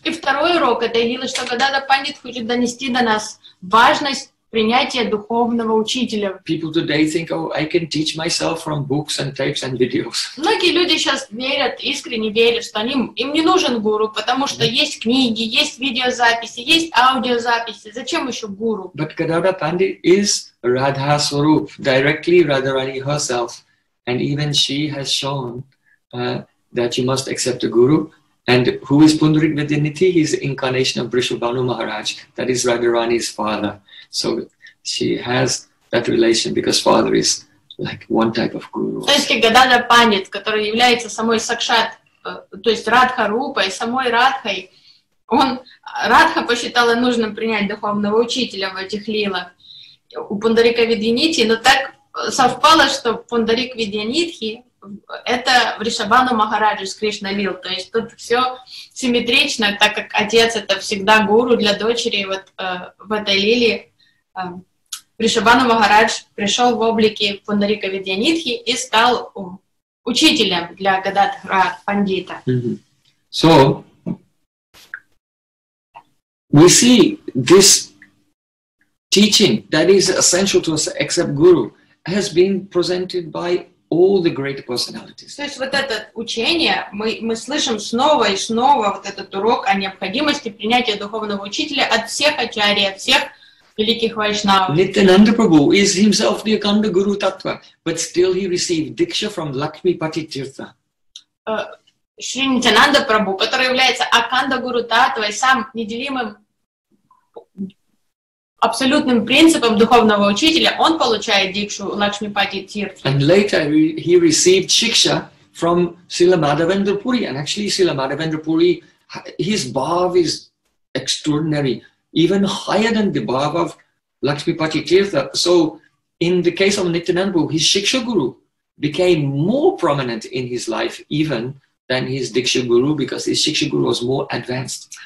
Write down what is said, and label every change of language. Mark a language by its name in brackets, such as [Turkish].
[Russian] И второй урок этой лилы, что Гададхара Пандит хочет донести до нас важность принятия духовного учителя. [English] People today think, oh, I can teach myself from books and tapes and videos. [Russian] Многие люди сейчас верят, искренне верят, что им не нужен гуру, потому что есть книги, есть видеозаписи, есть аудиозаписи. Зачем еще гуру? [English] But Gadadhara Pandit is Radha Swarup, directly Radharani herself. And even she has shown that you must accept a guru. And who is Pundarik Vidyaniti? He is the incarnation of Vrishabhanu Maharaj. That is Radharani's father. So she has that relation because father is like one type of guru. [Russian] То есть Гададхара Пандит, который является самой Сакшат, то есть Радха Рупой, самой Радхой, он Радха посчитала нужным принять духовного учителя в этих лилах у Пундарика Видьяниты, но так совпало, что Пундарик Видьянитхи — это Вришабану Махараджи с Кришналил. То есть тут все симметрично, так как отец — это всегда гуру для дочери. Вот в этой лиле Вришабану Махарадж пришел в облике Пундарика Видьянитхи и стал учителем для Гададхара Пандита. Mm-hmm. [English] So, we see this teaching that is essential to accept guru has been presented by all the great personalities. [Russian] То есть вот это учение, мы слышим снова и снова вот этот урок о необходимости принятия духовного учителя от всех ачарий, от всех великих вайшнавов. [English] Nityananda Prabhu is himself the Akanda Guru Tattva, but still he received diksha from Lakshmipati Tirtha. [Russian] Шри Нитянанда Прабху, который является Акандо Гуру Таттва и сам неделимым абсолютным принципом духовного учителя, он получает дикшу Лакшмипати Тирт. [English] And later he received shiksha from Srila Madhavendrapuri. And actually Srila Madhavendrapuri, his bhav is extraordinary, even higher than the bhav of Lakshmipati Tirtha. So in the case of Nityananda, his shiksha guru became more prominent in his life even than his Diksha Guru, because his shiksha guru was more advanced.